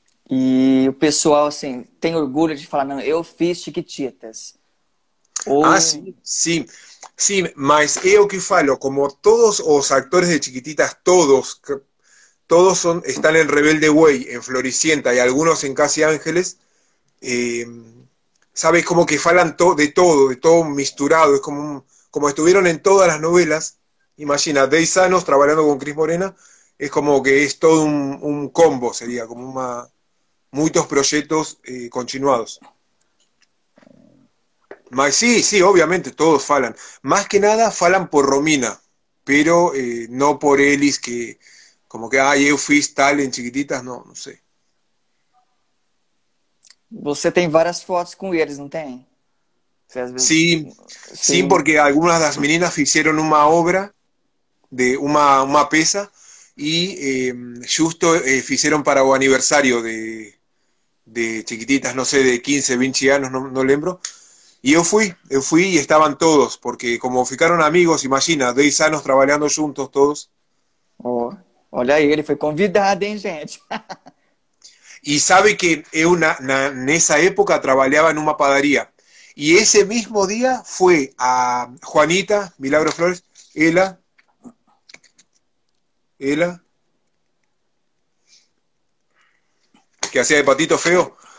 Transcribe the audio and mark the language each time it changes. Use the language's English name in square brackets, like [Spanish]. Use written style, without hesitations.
[Portuguese] Y o pessoal, assim, tem orgulho de falar, não, eu fiz Chiquititas. [Spanish] Ah, sí. Sí, [Portuguese] mas é o que falo, como todos os actores de Chiquititas, [Spanish] todos son, están en Rebelde Way, en Floricienta y algunos en Casi Ángeles, sabes, como que falan de todo misturado, es como estuvieron en todas las novelas, imagina, Dey Sanos trabajando con Cris Morena, es como que es todo un combo, sería como una, muchos proyectos continuados. Sí, obviamente, todos falan. Más que nada falan por Romina, pero no por Elis, que como que, ay, yo fui tal en Chiquititas, no, no sé. [Portuguese] Você tem várias fotos com eles, não tem? Você às vezes. Sim, Sim. porque algumas das meninas fizeram uma obra, de uma peça, e justo fizeram para o aniversário de Chiquititas, não sei, de 15, 20 anos, não, não lembro. [Spanish] Y yo fui y estaban todos, porque como ficaron amigos, imagina, Dey Sanos trabajando juntos todos. [Portuguese] Oh, olha aí, ele foi convidado, hein, gente? [Spanish] Y sabe que en esa época trabajaba en una panadería. Y ese mismo día fue a Juanita, Milagro Flores, Ela, que hacía de patito feo.